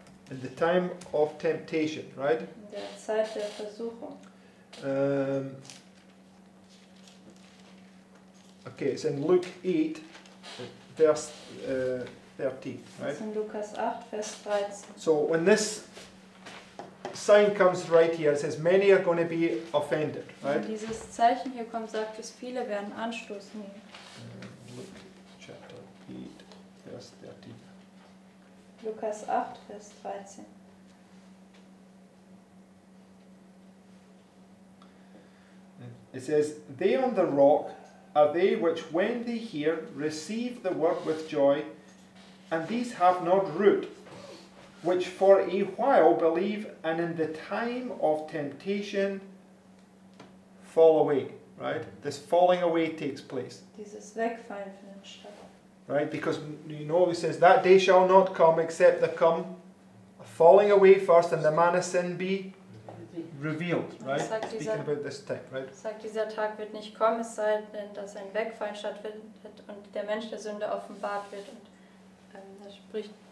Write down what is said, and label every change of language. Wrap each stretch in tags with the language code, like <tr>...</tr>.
<en>In the time of temptation, right?</en> <de>In der Zeit der Versuchung.</de> <en>Okay, it's in Luke 8, verse 13, right? It's in</en> <de>Lukas 8, Vers 13.</de> <en>So when this sign comes right here, it says many are going to be offended, right?</en> <de>Dieses Zeichen hier kommt, sagt es, viele werden Anstoß nehmen.</de> <en>Luke chapter 8, verse 13.</en> <de>Lukas 8, Vers 13.</de> <en>It says, they on the rock are they which when they hear, receive the word with joy, and these have not root, which for a while believe, and in the time of temptation fall away, right? This falling away takes place.</en> <de>Dieses Wegfallen findet statt.</de> <en>Right, because you know he says, that day shall not come, except there come a falling away first, and the man of sin be revealed, right? Speaking about this time, right?</en> <de>Sagt, dieser Tag wird nicht kommen, es sei denn, dass ein Wegfallen stattfindet, und der Mensch der Sünde offenbart wird, und da spricht</de>